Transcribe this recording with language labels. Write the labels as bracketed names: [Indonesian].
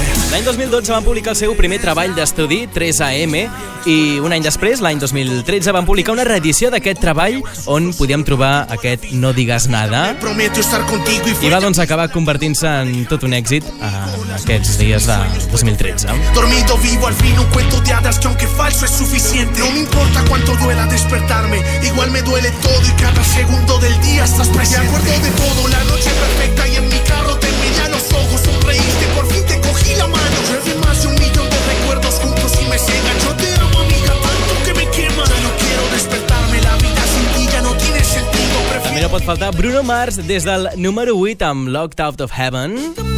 [Catalan] L'any 2012 van publicar el seu primer treball d'estudi, 3AM, i un any després, l'any 2013, van publicar una reedició d'aquest treball on podíem trobar aquest No digues nada. I va doncs acabar convertint-se en tot un èxit en aquests dies de 2013. [Spanish] Dormido vivo al fin un cuento de hadas que aunque falso es suficiente. No me importa cuánto duela despertarme, igual me duele todo y cada segundo del día estás presente. Me acuerdo de todo, la noche perfecta y en mi carro te miré a los ojos, sonreíste, por fin te cogí la mano. Llevé más de un millón de recuerdos juntos y me cega. Yo te amo, amiga, tanto que me quema. Yo no quiero despertarme, la vida sin ti ya no tiene sentido. Prefiero... [Catalan] També no pot faltar Bruno Mars des del número 8 amb Locked Out of Heaven.